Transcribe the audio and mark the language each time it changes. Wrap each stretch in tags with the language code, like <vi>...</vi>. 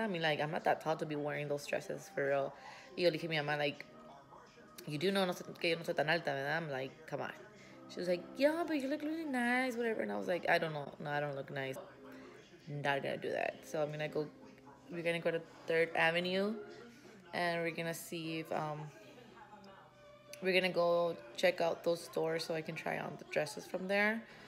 <en>I mean, like, I'm not that tall to be wearing those dresses, for real.</en> <es>Y yo le dije a mi mamá,</es> <en>like, you do know</en> <es>no soy, que yo no soy tan alta, ¿verdad?</es> <en>I'm like, come on. She was like, yeah, but you look really nice, whatever. And I was like, I don't know. No, I don't look nice. Not gonna do that. So I'm gonna go, we're gonna go to 3rd Avenue, and we're gonna see if, we're gonna go check out those stores so I can try on the dresses from there.</en>